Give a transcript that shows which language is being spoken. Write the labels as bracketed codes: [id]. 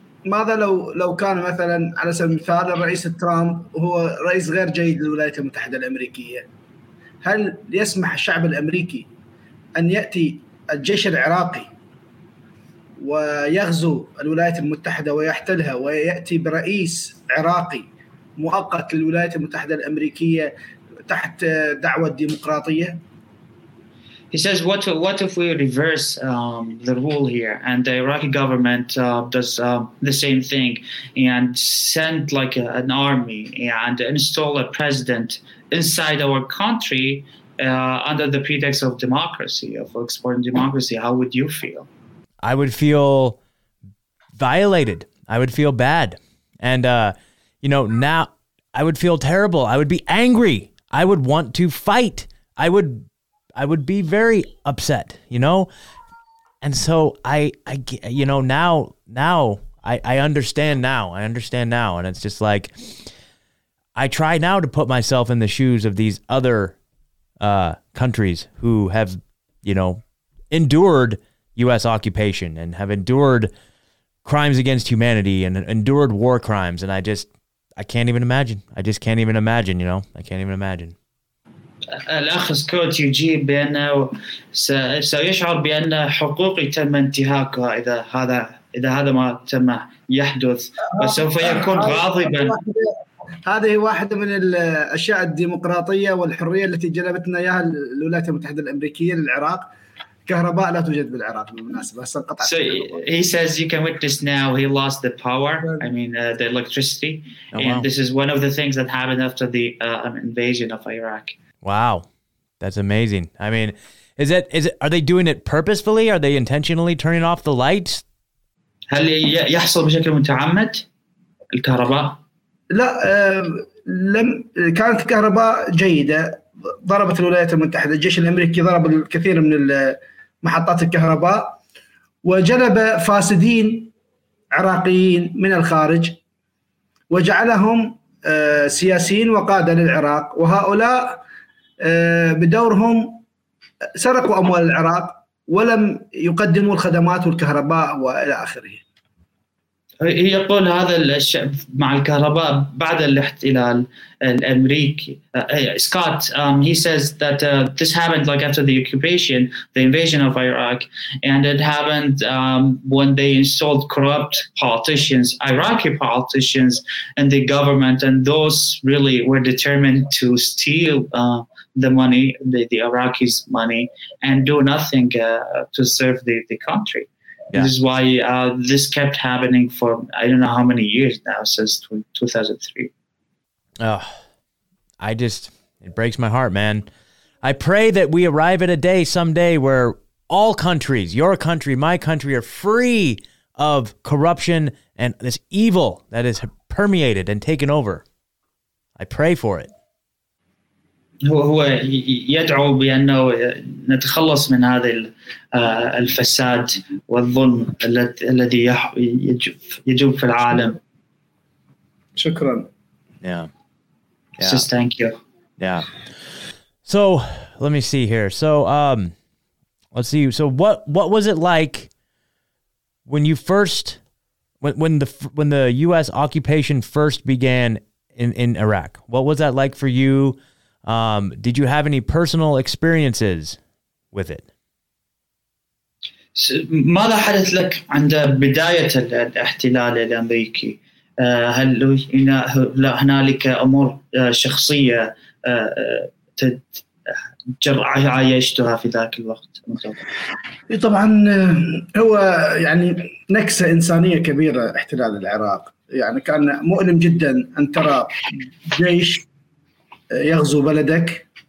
[ar] ماذا لو كان مثلا على سبيل المثال الرئيس ترامب هو رئيس غير جيد للولايات المتحدة الأمريكية، هل يسمح الشعب الأمريكي أن يأتي الجيش العراقي ويغزو الولايات المتحدة ويحتلها ويأتي برئيس عراقي مؤقت للولايات المتحدة الأمريكية تحت دعوة ديمقراطية؟ [en] He says, what if we reverse the rule here and the Iraqi government does the same thing and send like an army and install a president inside our country under the pretext of democracy, of exporting democracy? How would you feel? I would feel violated. I would feel bad. And, you know, now I would feel terrible. I would be angry. I would want to fight. I would be very upset, you know? And so I you know, now I understand now. And it's just like, I try now to put myself in the shoes of these other countries who have, you know, endured U.S. occupation and have endured crimes against humanity and endured war crimes. And I just can't even imagine. [ar] الأخ سكوت يجيب بأنه سيشعر بأن حقوقي تم انتهاكها إذا هذا ما تم يحدث، وسوف يكون غاضبا. هذه واحدة من الأشياء الديمقراطية والحرية التي جلبتنا إياها الولايات المتحدة الأمريكية للعراق. كهرباء لا توجد بالعراق بالمناسبة. [en] So he says you can witness now he lost the power. I mean the electricity. Oh, wow. And this is one of the things that happened after the invasion of Iraq. Wow, that's amazing. I mean, are they doing it purposefully? Are they intentionally turning off the lights? [ar] هل يحصل بشكل متعمد الكهرباء؟ لا لم كانت الكهرباء جيدة. ضربت الولايات المتحدة الجيش الأمريكي ضرب الكثير من محطات الكهرباء وجلب فاسدين عراقيين من الخارج وجعلهم سياسيين وقادة للعراق، وهؤلاء بدورهم سرقوا أموال العراق ولم يقدموا الخدمات والكهرباء وإلى آخره. يقول هذا الشعب مع الكهرباء بعد الاحتلال الأمريكي. [en] Scott, he says that this happened like after the occupation, the invasion of Iraq, and it happened when they installed corrupt politicians, Iraqi politicians, in the government, and those really were determined to steal the money, the Iraqis' money, and do nothing to serve the country. Yeah. This is why this kept happening for I don't know how many years now, since 2003. Oh, it breaks my heart, man. I pray that we arrive at a day someday where all countries, your country, my country, are free of corruption and this evil that has permeated and taken over. I pray for it. [ar] هو يدعو بأنه نتخلص من هذا الفساد والظلم الذي يجوب في العالم. شكرا. [en] Yeah. Just thank you. Yeah. So let me see here. So let's see. So what was it like when you first when the U.S. occupation first began in Iraq? What was that like for you? Did you have any personal experiences with it? [ar] ماذا حدث لك عند بداية الاحتلال الأمريكي؟ هل هنالك أمور شخصية عايشتها في ذاك الوقت؟ طبعا هو يعني نكسة إنسانية كبيرة احتلال العراق، يعني كان مؤلم جدا أن ترى جيش يغزو بلدك،